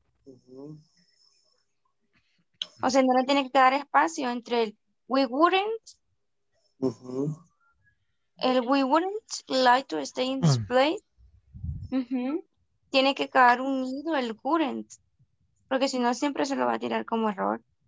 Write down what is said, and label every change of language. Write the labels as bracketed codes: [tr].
[es] Uh-huh. O sea, no le tiene que dar espacio entre el [en] we wouldn't. Uh-huh. El we wouldn't like to stay in this place. [es] Tiene que quedar unido el wouldn't. Porque si no, siempre se lo va a tirar como error.